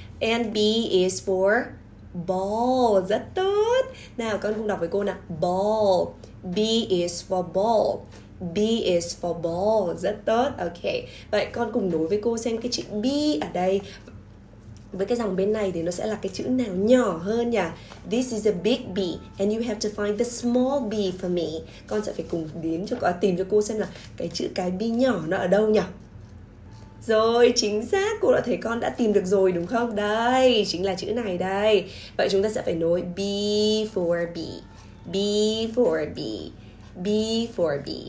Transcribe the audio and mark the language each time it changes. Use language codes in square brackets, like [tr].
[en] And B is for... ball, [vi] rất tốt. Nào, con cùng đọc với cô nào. [en] Ball, B is for ball. B is for ball, [vi] rất tốt. Ok, vậy con cùng nối với cô xem cái chữ B ở đây với cái dòng bên này thì nó sẽ là cái chữ nào nhỏ hơn nhỉ? [en] This is a big B and you have to find the small B for me. [vi] Con sẽ phải cùng đến cho cô, tìm cho cô xem là cái chữ cái B nhỏ nó ở đâu nhỉ? Rồi, chính xác, cô đã thấy con đã tìm được rồi đúng không? Đây, chính là chữ này đây. Vậy chúng ta sẽ phải nối [en] B for B. B for B. B for B.